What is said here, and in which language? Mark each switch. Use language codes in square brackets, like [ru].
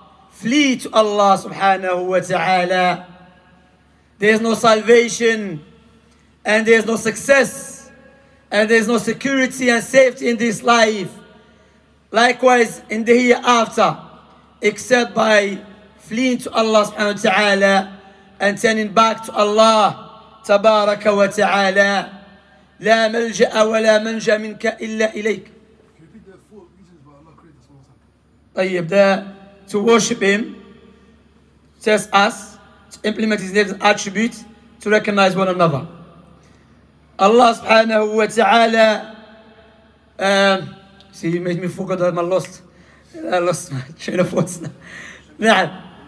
[en] Flee to Allah سبحانه وتعالى. There is no salvation and there is no success and there is no security and safety in this life. Likewise in the hereafter, except by fleeing to Allah سبحانه وتعالى and turning back to Allah تبارك وتعالى. [ar] لا ملجأ ولا منجا منك إلا إليك. [en] طيب, to worship him, test us, to implement his name's attributes, to recognize one another. Allah subhanahu wa ta'ala, see, you made me forget that I lost my train of thoughts. Na'am.